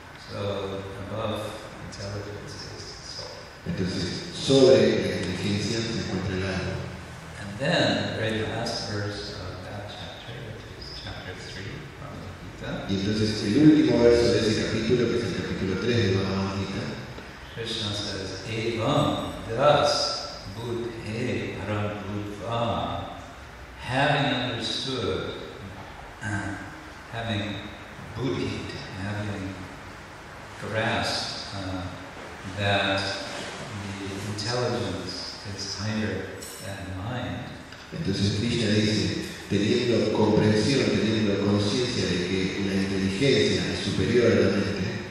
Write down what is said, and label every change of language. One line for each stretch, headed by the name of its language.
English: So, above intelligence is soul.
Spanish: Entonces, sobre la inteligencia se encuentra el alma.
English: And then, the very last verse of that chapter, which is chapter 3 from the Gita.
Spanish: Y entonces, el último verso de ese capítulo, que es el capítulo 3 de Bhagavad Gita.
English: Krishna says,
Sanskrit: evam das buddhe param buddham,
English: having understood, having buddhied, having grasped that the intelligence is higher than mind.
Spanish: Entonces Krishna dice, teniendo comprensión, teniendo conciencia de que la inteligencia es superior a la mente.